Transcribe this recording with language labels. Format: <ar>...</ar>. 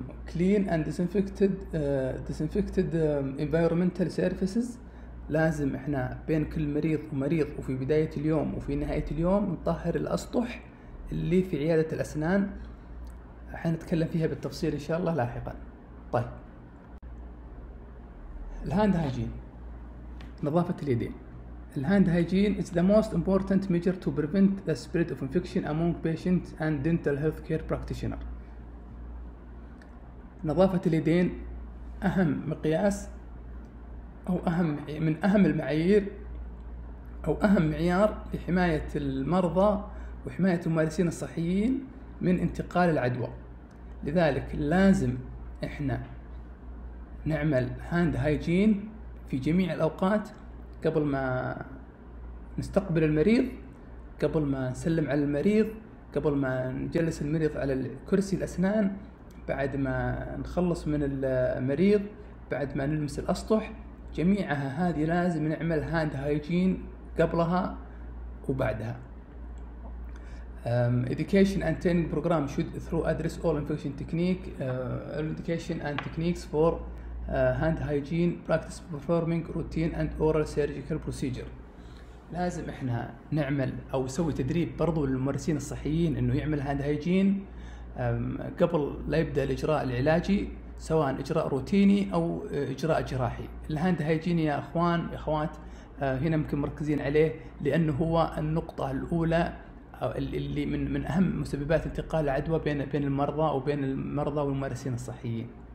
<en>Clean and disinfected environmental surfaces،</en> <ar>لازم احنا بين كل مريض ومريض وفي بداية اليوم وفي نهاية اليوم نطهر الأسطح اللي في عيادة الأسنان، حنتكلم فيها بالتفصيل إن شاء الله لاحقا. طيب الهاند هايجين، نظافة اليدين.</ar> <en>الهاند hygiene is the most important measure to prevent the spread of infection among patients and dental healthcare practitioner.</en> <ar>نظافة اليدين أهم مقياس أو أهم من أهم المعايير أو أهم معيار لحماية المرضى وحماية الممارسين الصحيين من انتقال العدوى. لذلك لازم إحنا نعمل هاند هايجين في جميع الأوقات، قبل ما نستقبل المريض، قبل ما نسلم على المريض، قبل ما نجلس المريض على كرسي الأسنان، بعد ما نخلص من المريض، بعد ما نلمس الأسطح، جميعها هذه لازم نعمل هاند هايجين قبلها وبعدها.</ar> <en>Education and training program should through address all infection technique education and techniques for hand hygiene practice performing routine and oral surgical procedure.</en> <ar>لازم احنا نعمل او نسوي تدريب برضو للممارسين الصحيين انه يعمل هاند هايجين قبل لا يبدأ الإجراء العلاجي، سواء إجراء روتيني أو إجراء جراحي. الهاند هايجين يا أخوان إخوات هنا ممكن مركزين عليه، لأنه هو النقطة الأولى اللي من أهم مسببات انتقال العدوى بين المرضى وبين المرضى والممارسين الصحيين.</ar>